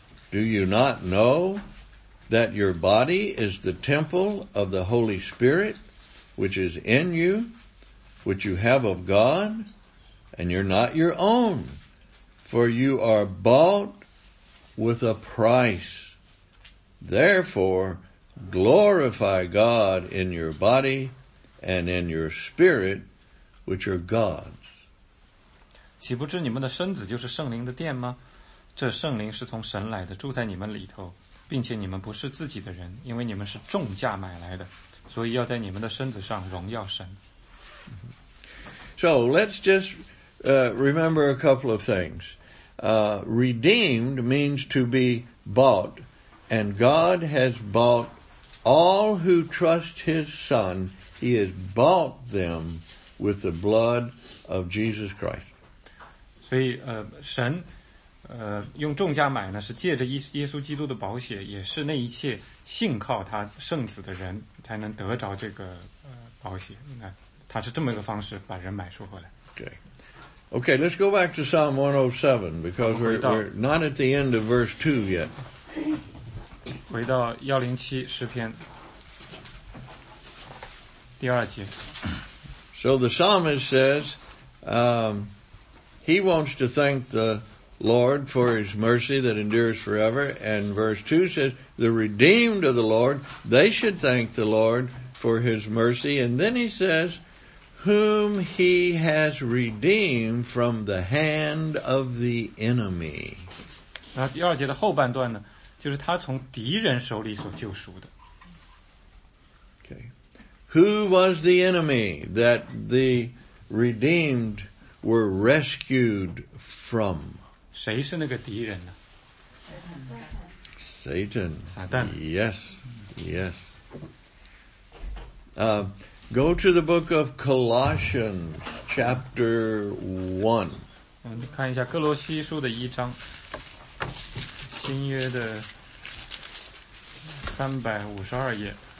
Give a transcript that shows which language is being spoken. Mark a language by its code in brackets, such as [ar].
[en] Do you not know that your body is the temple of the Holy Spirit, which is in you, which you have of God, and you're not your own, for you are bought with a price. Therefore, glorify God in your body and in your spirit, which are God's. [zh] 岂不知你们的身子就是圣灵的殿吗？这圣灵是从神来的，住在你们里头，并且你们不是自己的人，因为你们是重价买来的。所以要在你们的身子上荣耀神。 [en] So let's just remember a couple of things. Redeemed means to be bought, and God has bought all who trust His Son. He has bought them with the blood of Jesus Christ. [zh] 所以神用重价买呢，是借着耶稣基督的宝血，也是那一切信靠他圣子的人才能得着这个宝血。那他是这么一个方式把人买赎回来。 [en] Okay, let's go back to Psalm 107 because we're not at the end of verse 2 yet. [zh] 回到107诗篇第二节。 [en] So the psalmist says, he wants to thank the Lord for his mercy that endures forever. And verse 2 says, the redeemed of the Lord, they should thank the Lord for his mercy. And then he says, whom he has redeemed from the hand of the enemy. [zh] 那第二节的后半段呢，就是他从敌人手里所救赎的。 [en] Okay. Who was the enemy that the redeemed were rescued from? [zh] 谁是那个敌人呢？ [en] Satan. Satan. Yes. Yes. Go to the book of Colossians, chapter 1. [zh] 我们看一下哥罗西书的一章，新约的352页。